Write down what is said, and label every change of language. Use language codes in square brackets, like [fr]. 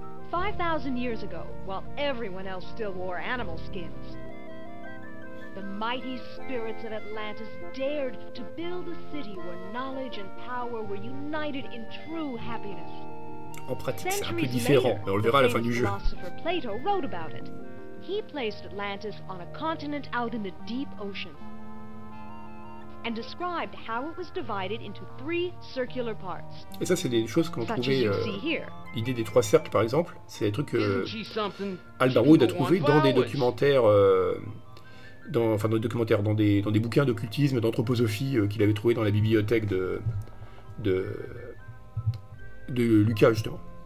[en] 5,000 years ago, while everyone else still wore animal skins, the mighty spirits of Atlantis dared to build a city where knowledge and power were united in true happiness. [fr] En pratique, c'est un peu différent, mais on le verra à la fin du jeu. [en] Plato wrote about it. He placed Atlantis on a continent out in the deep ocean and described how it was divided into three circular parts. [fr] Et ça, c'est des choses qu'on trouvait. L'idée des trois cercles, par exemple, c'est des trucs que Alderwood a trouvé dans des documentaires. Dans des bouquins d'occultisme, d'anthroposophie qu'il avait trouvé dans la bibliothèque de Lucas, justement.